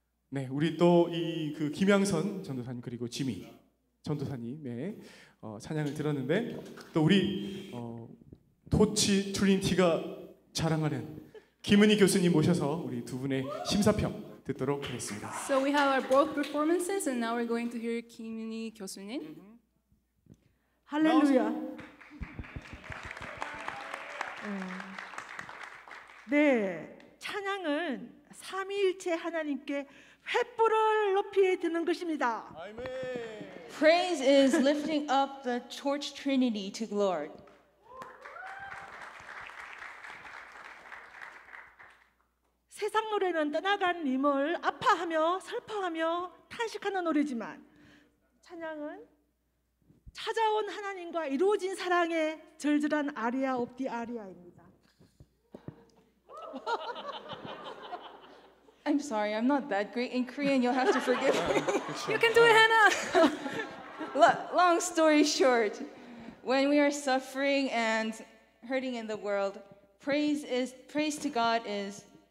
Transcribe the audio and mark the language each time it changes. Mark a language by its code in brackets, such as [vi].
[ko] 네, 우리 또 이 그 김양선 전도사님 그리고 지미 전도사님의 찬양을 들었는데 또 우리 토치 트리니티가 자랑하는 김은희 교수님 모셔서 우리 두 분의 심사평 듣도록 하겠습니다. [en] So we have our both performances and now we're going to hear 김은희 교수님. Hallelujah. [ko] 네, 찬양은 삼위일체 하나님께 횃불을 높이 드는 것입니다. [en] Praise is lifting up the Church Trinity to the Lord. [ko] 세상 노래는 떠나간 님을 아파하며 슬퍼하며 탄식하는 노래지만 찬양은 찾아온 하나님과 이루어진 사랑의 절절한 아리아 옵디 아리아입니다. [en] I'm sorry, I'm not that great in Korean. You'll have to forgive me. You can do it, Hannah. Long story short, when we are suffering and hurting in the world, praise to God is